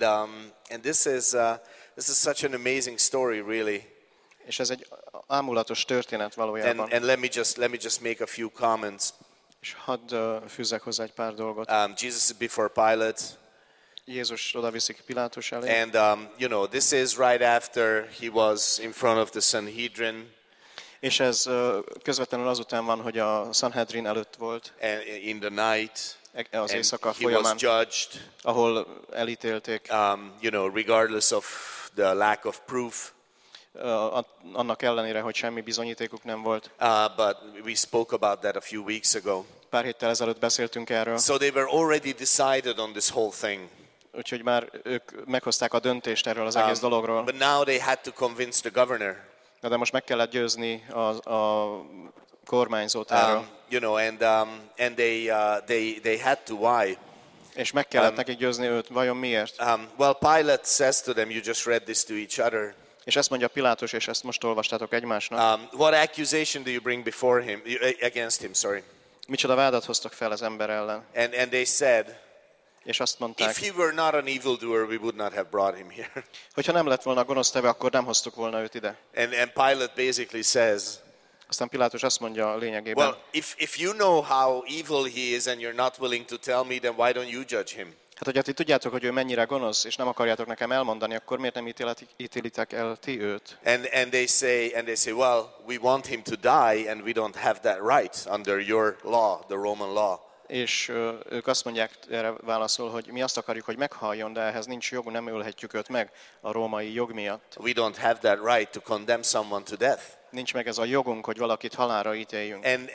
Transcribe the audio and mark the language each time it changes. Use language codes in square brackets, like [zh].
[en] And this is such an amazing story really. [hu] És ez egy ámulatos történet valójában. [en] And let me just make a few comments. [hu] És hadd fűzzek hozzá egy pár dolgot. [en] Jesus is before Pilate. [hu] Jézus odaviszik Pilátus elé. [en] And you know, this is right after he was in front of the Sanhedrin. [hu] És ez közvetlenül azután van, hogy a Sanhedrin előtt volt. [en] And in the night. [hu] Az éjszaka [en] he [hu] folyamán. [en] He was judged. [hu] Ahol elítélték. [en] You know, regardless of the lack of proof. [hu] Annak ellenére, hogy semmi bizonyítékuk nem volt. [en] But we spoke about that a few weeks ago. [hu] Pár héttel ezelőtt beszéltünk erről. [en] So they were already decided on this whole thing. [hu] Úgyhogy már ők meghozták a döntést erről az egész dologról. [en] But now they had to convince the governor. [hu] De most meg kellett győzni a kormányzót erről. [en] You know, and they had to, why? [hu] És meg kellett nekik győzni őt, vajon miért? [en] Well, Pilate says to them, you just read this to each other. [hu] És ezt mondja Pilátus, és ezt most olvastátok egymásnak. [en] What accusation do you bring before him, against him, sorry? [hu] Micsoda vádat hoztok fel az ember ellen? [en] And they said, [hu] és azt mondták, [en] if he were not an evildoer, we would not have brought him here. [hu] Hogyha nem lett volna gonosztevő, akkor nem hoztuk volna őt ide. [en] And Pilate basically says, [hu] Aztán Pilátus azt mondja a lényegében. [en] Well, if you know how evil he is and you're not willing to tell me, then why don't you judge him? [hu] Hát hogyha ti tudjátok, hogy ő mennyire gonosz, és nem akarjátok nekem elmondani, akkor miért nem ítélitek el ti őt? [en] And they say, well, we want him to die and we don't have that right under your law, the Roman law. [hu] És ők azt mondják, erre válaszol, hogy mi azt akarjuk, hogy meghaljon, de ehhez nincs jog, nem ölhetjük őt meg a római jog miatt. [en] We don't have that right to condemn someone to death. [hu] Nincs meg ez a jogunk, hogy valakit halálra ítéljünk.